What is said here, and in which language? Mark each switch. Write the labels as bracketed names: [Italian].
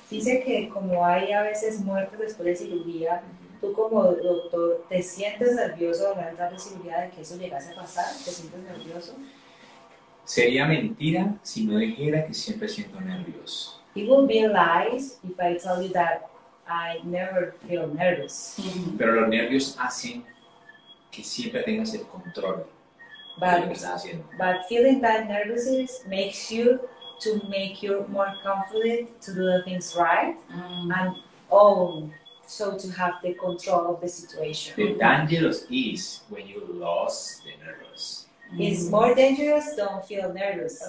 [Spanish] Dice que como hay a veces muertes después de cirugía, tú como doctor, ¿te sientes nervioso de la posibilidad de que eso llegase a pasar? ¿Te sientes nervioso? Sería mentira si no dijera que siempre siento nervios. [English] It would be lies if I tell you that I never feel nervous. [Spanish] Pero los nervios hacen que siempre tengas el control [English] but, [Spanish] de lo que estás haciendo. [English] But feeling that nervousness makes you to make you more confident to do the things right and so to have the control of the situation. The dangerous is when you lost the nervous. It's more dangerous, don't feel nervous.